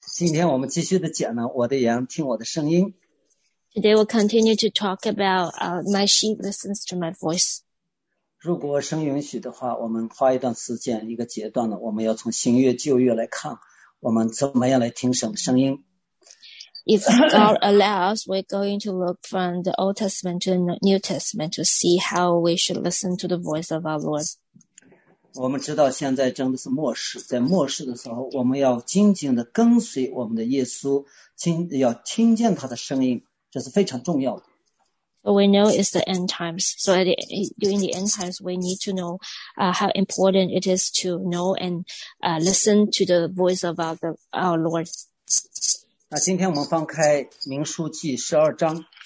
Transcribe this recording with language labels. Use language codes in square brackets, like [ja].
[zh] 今天我们继续的讲呢，我的羊听我的声音。 [en] Today we'll continue to talk about my sheep listens to my voice. [zh] 如果神允许的话，我们花一段时间一个阶段呢，我们要从新约旧约来看，我们怎么样来听神的声音。 [en] If God allows, we're going to look from the Old Testament to the New Testament to see how we should listen to the voice of our Lord. [zh] 我们知道现在真的是末世，在末世的时候，我们要紧紧的跟随我们的耶稣，要听见他的声音，这是非常重要的。 [en] But we know it's the end times. So during the end times, we need to know how important it is to know and listen to the voice of our Lord. [zh] 那今天我们翻开《民数记》十二章。